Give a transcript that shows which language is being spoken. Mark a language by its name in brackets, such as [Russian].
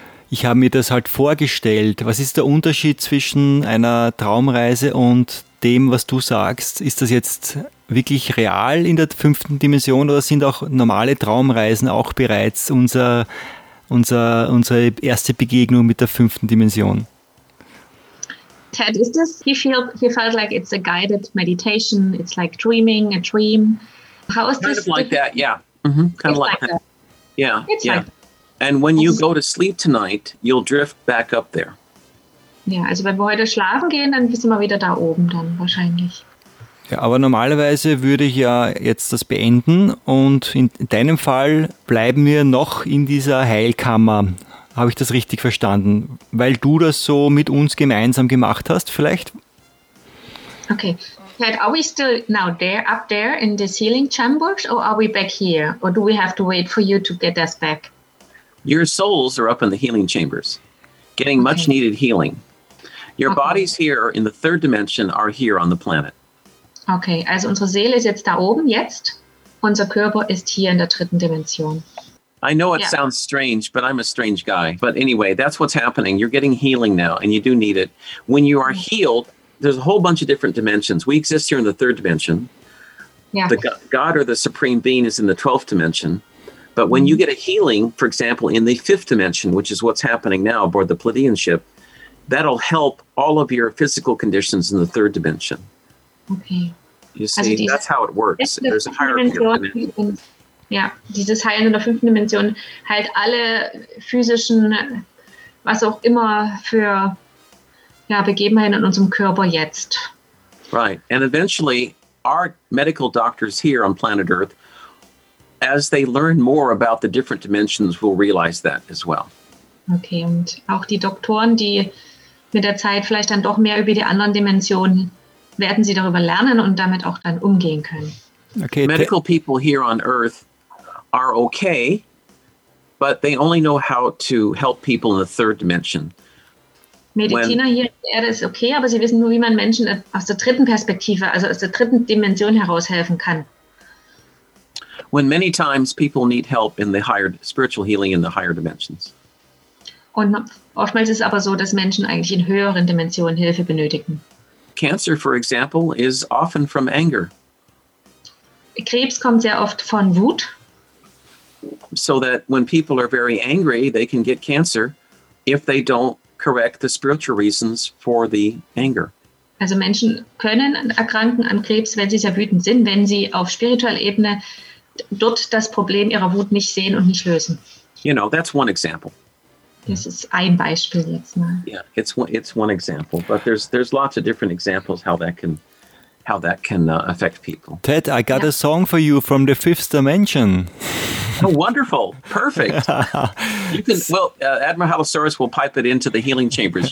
[German] Ich habe mir das halt vorgestellt. Was ist der Unterschied zwischen einer Traumreise und dem, was du sagst? Ist das jetzt wirklich real in der fünften Dimension oder sind auch normale Traumreisen auch bereits unsere erste Begegnung mit der fünften Dimension? [English] Ted, is this, he felt like it's a guided meditation, it's like dreaming, a dream. How is kind this? Kind of like that, yeah. Mm-hmm. Kind it's of like that. That. Yeah, it's yeah. Like and when you go to sleep tonight, you'll drift back up there. [German] Ja, also wenn wir heute schlafen gehen, dann sind wir wieder da oben dann wahrscheinlich. Ja, aber normalerweise würde ich ja jetzt das beenden und in deinem Fall bleiben wir noch in dieser Heilkammer. Habe ich das richtig verstanden? Weil du das so mit uns gemeinsam gemacht hast, vielleicht? [English] Okay. Ted, are we still now there, up there in this healing chamber, or are we back here? Or do we have to wait for you to get us back? Your souls are up in the healing chambers, getting much needed healing. Your bodies here in the third dimension are here on the planet. [German] Okay, also unsere Seele ist jetzt da oben jetzt. Unser Körper ist hier in der dritten Dimension. [English] I know it sounds strange, but I'm a strange guy. But anyway, that's what's happening. You're getting healing now, and you do need it. When you are healed, there's a whole bunch of different dimensions. We exist here in the third dimension. Yeah. The God or the Supreme Being is in the 12th dimension. But when you get a healing, for example, in the fifth dimension, which is what's happening now aboard the Pleiadian ship, that'll help all of your physical conditions in the third dimension. Okay. You see, also that's how it works. There's a higher dimension. [German] Ja, dieses Heilen in der fünften Dimension heilt alle physischen, was auch immer für ja, Begebenheiten in unserem Körper jetzt. [English] Right. And eventually, our medical doctors here on planet Earth, as they learn more about the different dimensions, will realize that as well. [German] Okay, und auch die Doktoren, die mit der Zeit vielleicht dann doch mehr über die anderen Dimensionen, werden sie darüber lernen und damit auch dann umgehen können. [English] Okay. Medical people here on Earth are okay, but they only know how to help people in the third dimension. [German] Mediziner hier auf der Erde ist okay, aber sie wissen nur, wie man Menschen aus der dritten Perspektive, also aus der dritten Dimension heraushelfen kann. [English] When many times people need help in the higher spiritual healing in the higher dimensions. [German] Und oftmals ist es aber so, dass Menschen eigentlich in höheren Dimensionen Hilfe benötigen. [English] Cancer, for example, is often from anger. [German] Krebs kommt sehr oft von Wut. [English] So that when people are very angry, they can get cancer if they don't correct the spiritual reasons for the anger. [German] Also Menschen können erkranken an Krebs, wenn sie sehr wütend sind, wenn sie auf spiritueller Ebene dort das Problem ihrer Wut nicht sehen und nicht lösen. [English] You know, that's one example. [German] Das ist ein Beispiel jetzt mal. [English] Yeah, it's one example, but there's lots of different examples how that can affect people. Ted, I got a song for you from the fifth dimension. Oh, wonderful. Perfect. You can, Admiral Halosaurus will pipe it into the healing chambers.